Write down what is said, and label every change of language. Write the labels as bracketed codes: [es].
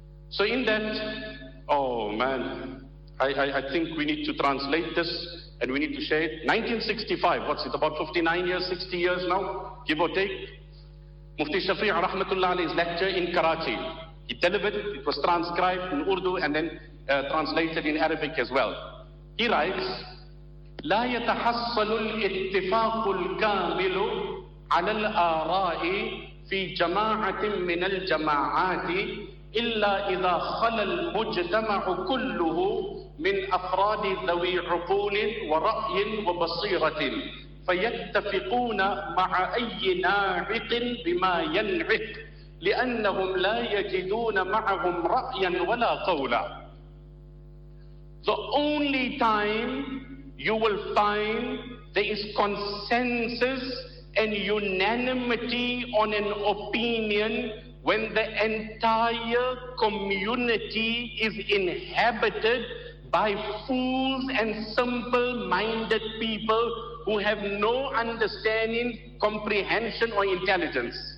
[en] So in that, oh man, I think we need to translate this. And we need to share it. 1965, what's it, about 59 years, 60 years now, give or take. Mufti Shafi' Rahmatullah Ali's lecture in Karachi. He delivered it, it was transcribed in Urdu and then translated in Arabic as well. [ar] He writes, لا يتحصل الاتفاق الكامل على الآراء في جماعة من الجماعات إلا إذا خل المجتمع كله من أفراد ذوي عقول ورأي وبصيرة فيتفقون مع أي ناعق بما ينعق لأنهم لا يجدون معهم رأيا ولا قولا. [en] The only time you will find there is consensus and unanimity on an opinion when the entire community is inhabited by fools and simple-minded people who have no understanding, comprehension, or intelligence.